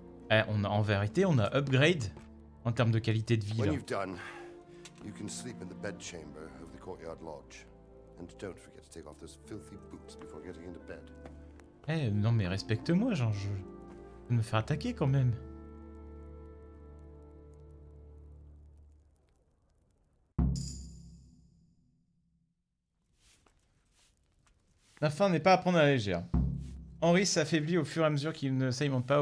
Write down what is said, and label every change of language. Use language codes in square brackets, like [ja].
[fr] Eh, on a, en vérité, on a upgrade en termes de qualité de vie. [en] When you've done, you can sleep in the bedchamber of the courtyard lodge. And don't forget to take off those filthy boots before getting into bed. [fr] Eh, hey, non mais respecte-moi, genre je vais me faire attaquer quand même. La fin n'est pas à prendre à la légère. Henry s'affaiblit au fur et à mesure qu'il ne s'alimente pas.